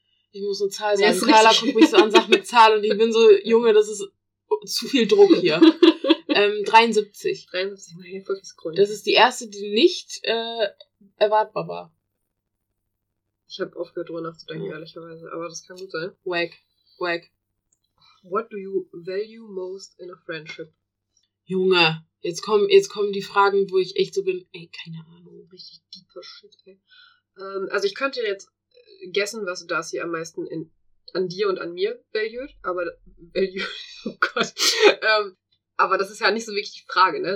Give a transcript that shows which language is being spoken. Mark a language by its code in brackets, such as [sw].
[de] Ich muss eine Zahl sagen. Carla guckt mich so an, sagt mit Zahl und ich bin so, Junge, das ist zu viel Druck hier. 73. 73, mein Hilfe ist grün. Das ist die erste, die nicht erwartbar war. Ich habe aufgehört, drüber nachzudenken, ehrlicherweise. Aber das kann gut sein. Wack. [en] What do you value most in a friendship? [de] Junge, jetzt kommen die Fragen, wo ich echt so bin. Ey, keine Ahnung. Richtig deeper Shit, ey. Also ich könnte jetzt guessen, was Darcy am meisten an dir und an mir valued. Aber das ist ja nicht so wirklich die Frage, ne?